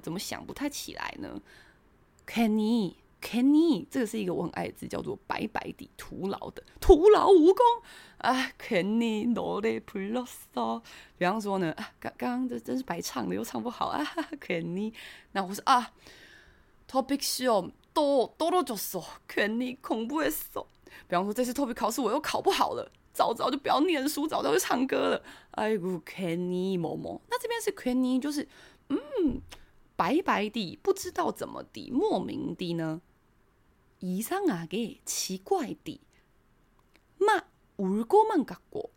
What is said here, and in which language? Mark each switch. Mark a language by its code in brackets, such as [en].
[zh] 怎么想不太起来呢？ [ko] 괜히， [zh] 괜히，这个是一个我很爱的字，叫做白白的，徒劳的，徒劳无功。 [ko] 괜히노래불렀어， [zh] 比方说呢，刚刚这真是白唱的，又唱不好啊，괜히，那我说啊 [ko] ，topic 시험또떨어졌어，괜히공부했어， [zh] 比方说这次 topic 考试我又考不好了。早就不要念书，早就去唱歌了。 [ko] 哎呦，괜히뭐뭐， [zh] 那这边是괜히，就是白白的，不知道怎么的，莫名的呢。 [ko] 이상하게 [zh] 奇怪的， [ko] 막울고만갔고，